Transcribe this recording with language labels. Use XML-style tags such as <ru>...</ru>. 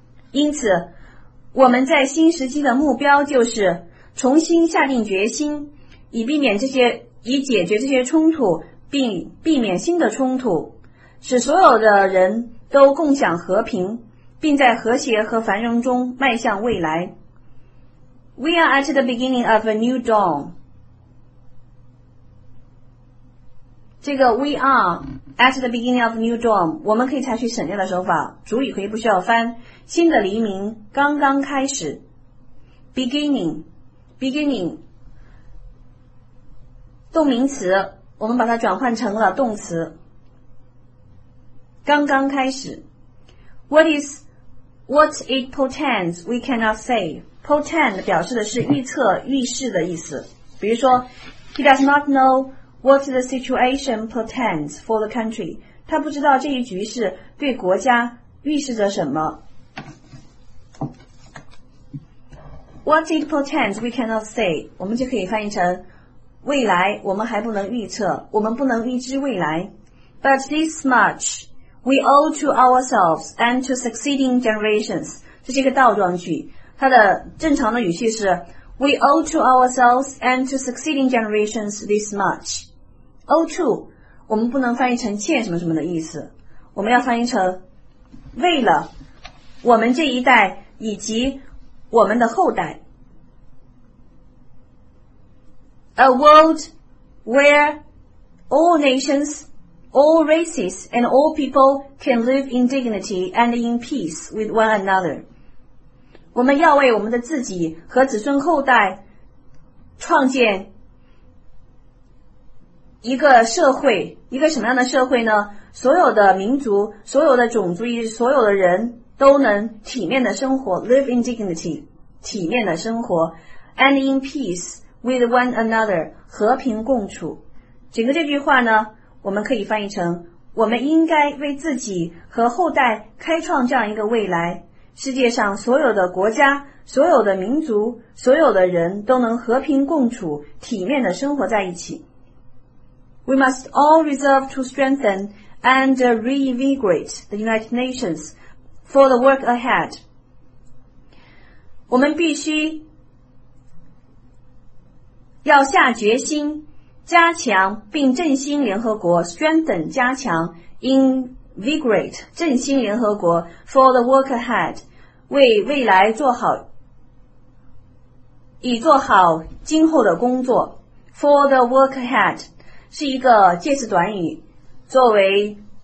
<zh>因此我们在新时期的目标就是重新下定决心，以解决这些冲突，并避免新的冲突，使所有的人都共享和平，并在和谐和繁荣中迈向未来。</zh> <en>We are at the beginning of a new dawn。</en> <zh>这个</zh> <en>we are at the beginning of a new dawn，</en> <zh>我们可以采取省略的手法，主语可以不需要翻。新的黎明刚刚开始， beginning 动名词，我们把它转换成了动词，刚刚开始。</zh> <en>What it portends we cannot say。</en> <zh>Portend 表示的是预测预示的意思，比如说</zh> <en>He does not know what the situation portends for the country，</en> <zh>他不知道这一局势对国家预示着什么。</zh> <en>What it portends, we cannot say.</en> <zh>我们就可以翻译成未来我们还不能预测，我们不能预知未来。</zh> <en>But this much we owe to ourselves and to succeeding generations.</en> <zh>这是一个倒装句，它的正常的语序是</zh> <en>We owe to ourselves and to succeeding generations this much.</en> <zh>Owe to 我们不能翻译成欠什么什么的意思，我们要翻译成为了我们这一代以及我们的后代。</zh> <en>A world where all nations, all races and all people can live in dignity and in peace with one another。</en> <zh>我们要为我们的自己和子孙后代创建一个社会，一个什么样的社会呢？所有的民族，所有的种族，所有的人都能体面的生活，</zh> <en>live in dignity，</en> <zh>体面的生活，</zh> <en>and in peace with one another，</en> <zh>和平共处。整个这句话呢我们可以翻译成，我们应该为自己和后代开创这样一个未来，世界上所有的国家，所有的民族，所有的人都能和平共处，体面的生活在一起。</zh> <en>We must all resolve to strengthen and reinvigorate the United Nations for the work ahead.</en> <zh>我们必须要下决心加强并振兴联合国 strengthen 加强 invigorate 振兴联合国</zh> <en>for the work ahead</en> <zh>为未来做好以做好今后的工作 for the work ahead 是一个介词短语作为</zh>